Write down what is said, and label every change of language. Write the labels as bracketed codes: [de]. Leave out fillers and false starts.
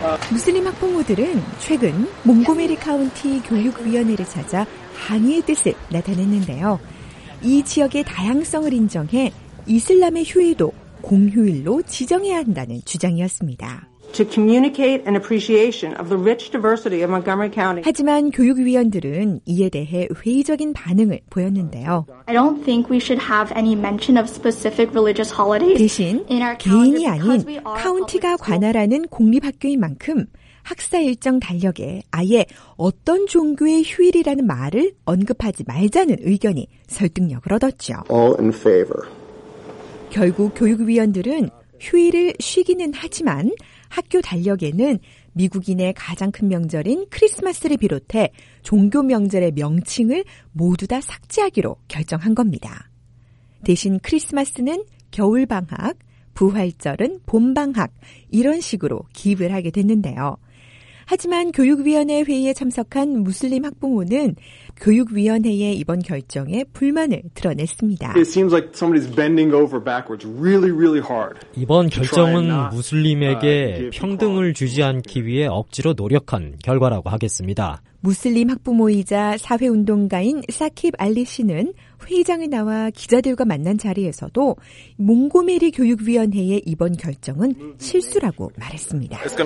[ko] 무슬림 학부모들은 최근 몽고메리 카운티 교육위원회를 찾아 항의의 뜻을 나타냈는데요. 이 지역의 다양성을 인정해 이슬람의 휴일도 공휴일로 지정해야 한다는 주장이었습니다. [en] To communicate an appreciation of the rich diversity of Montgomery County. [ko] 하지만 교육위원들은 이에 대해 회의적인 반응을 보였는데요. [en] I don't think we should have any mention of specific religious holidays. [ko] 대신 개인이 아닌 카운티가 관할하는 공립학교인 만큼 학사 일정 달력에 아예 어떤 종교의 휴일이라는 말을 언급하지 말자는 의견이 설득력을 얻었죠. [en] All in favor. [ko] 결국 교육위원들은 휴일을 쉬기는 하지만 학교 달력에는 미국인의 가장 큰 명절인 크리스마스를 비롯해 종교 명절의 명칭을 모두 다 삭제하기로 결정한 겁니다. 대신 크리스마스는 겨울 방학, 부활절은 봄 방학 이런 식으로 기입을 하게 됐는데요. 하지만 교육위원회 회의에 참석한 무슬림 학부모는 교육위원회의 이번 결정에 불만을 드러냈습니다. [en] It seems like somebody's bending over backwards really, really hard. [ko] 이번 결정은 무슬림에게 평등을 주지 않기 위해 억지로 노력한 결과라고 하겠습니다. 무슬림 학부모이자 사회운동가인 사킵 알리 씨는 회의장에 나와 기자들과 만난 자리에서도 몽고메리 교육위원회의 이번 결정은 실수라고 말했습니다.